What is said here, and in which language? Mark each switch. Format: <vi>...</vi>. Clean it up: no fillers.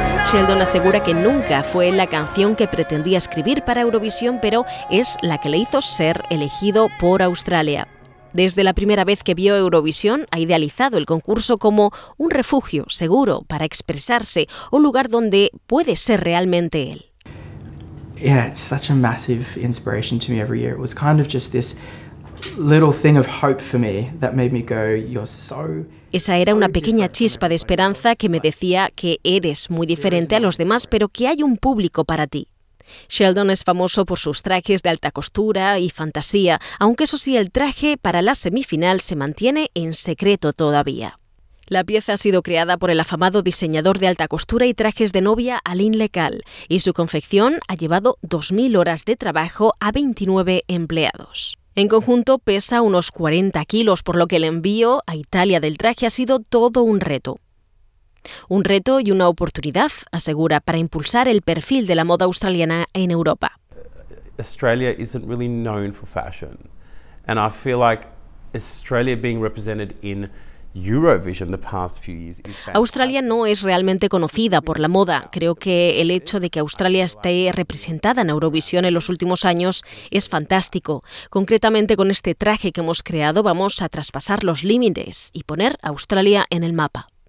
<es>Sheldon asegura que nunca fue la canción que pretendía escribir para Eurovisión, pero es la que le hizo ser elegido por Australia. Desde la primera vez que vio Eurovisión, ha idealizado el concurso como un refugio seguro para expresarse, un lugar donde puede ser realmente él.</es> <en>Yeah, it's such a massive inspiration to me every year. It was kind of just this little thing of hope for me that made me go, you're so.</en> <es>Esa era una pequeña chispa de esperanza que me decía que eres muy diferente a los demás, pero que hay un público para ti. Sheldon es famoso por sus trajes de alta costura y fantasía, aunque eso sí, el traje para la semifinal se mantiene en secreto todavía. La pieza ha sido creada por el afamado diseñador de alta costura y trajes de novia Aline Lecal, y su confección ha llevado 2.000 horas de trabajo a 29 empleados. En conjunto pesa unos 40 kilos, por lo que el envío a Italia del traje ha sido todo un reto. Un reto y una oportunidad, asegura, para impulsar el perfil de la moda australiana en Europa.</es> <en>Australia isn't really known for fashion, and I feel like Australia being represented in Eurovision the past few years.</en> <es>Australia no es realmente conocida por la moda. Creo que el hecho de que Australia esté representada en Eurovisión en los últimos años es fantástico. Concretamente con este traje que hemos creado vamos a traspasar los límites y poner a Australia en el mapa.</es>